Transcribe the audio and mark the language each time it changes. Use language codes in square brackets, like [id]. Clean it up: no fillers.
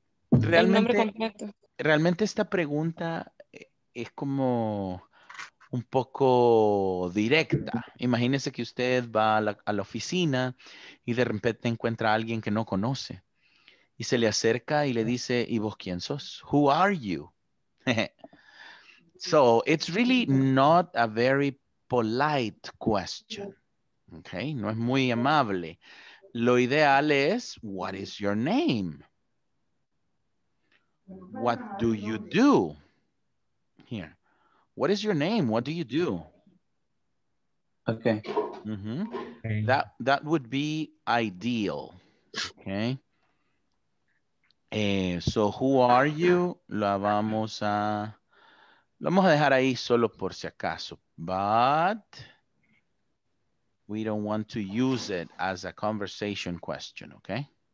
[es] Realmente esta pregunta es como un poco directa. Imagínese que usted va a la oficina y de repente encuentra a alguien que no conoce y se le acerca y le dice, ¿y vos quién sos? [en] Who are you? So it's really not a very polite question. [es] Okay, no es muy amable. Lo ideal es, [en] what is your name? What do you do? Here. What is your name? What do you do? Okay. Mm-hmm. Okay. That would be ideal. Okay. So who are you? [es] Lo vamos a dejar ahí solo por si acaso. [en] But we don't want to use it as a conversation question, okay?